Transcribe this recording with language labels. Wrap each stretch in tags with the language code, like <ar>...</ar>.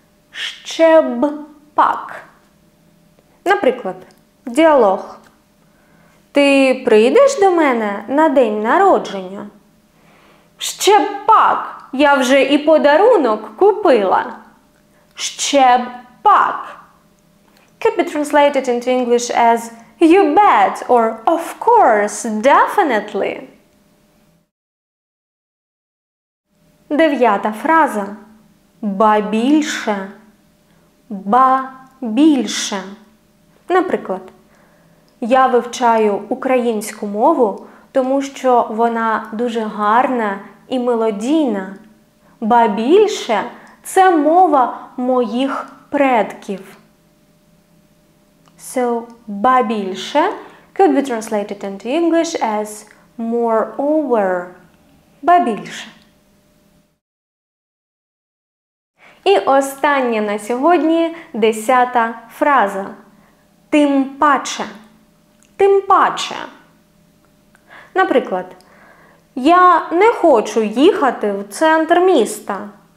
<uk>Ще б пак. Наприклад, діалог. Ти прийдеш до мене на день народження? Ще б пак, я вже і подарунок купила. Ще б пак.</uk> <en>Could be translated into English as you bet or of course, definitely.</en> <uk>Дев'ята фраза. Ба більше. Ба більше. Наприклад, я вивчаю українську мову, тому що вона дуже гарна і мелодійна. Ба більше – це мова моїх предків. So, ба більше</uk> <en>could be translated into English as moreover, побільше.</en> <uk>І остання на сьогодні, десята фраза. Тим паче. Тим паче. Наприклад, я не хочу їхати в центр міста.</uk>